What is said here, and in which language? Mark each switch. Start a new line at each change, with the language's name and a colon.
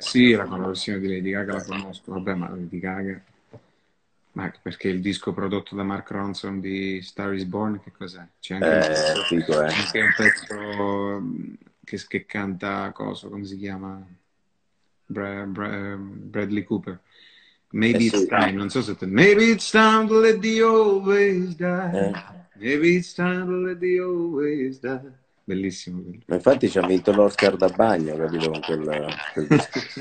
Italian: Sì, la conversione di Lady Gaga la conosco. Vabbè, ma Lady Gaga. Ma perché il disco prodotto da Mark Ronson di Star is Born, che cos'è? C'è anche un pezzo, Dico, c'è anche un pezzo che canta, cosa, come si chiama?
English: Bradley Cooper. Maybe
Italian: sì.
English: it's time,
Italian: non so se...
English: Maybe it's time to let the old ways die. Maybe it's time to let the old ways die.
Italian: Bellissimo. Ma infatti ci ha vinto l'Oscar da bagno, capito, con quel disco.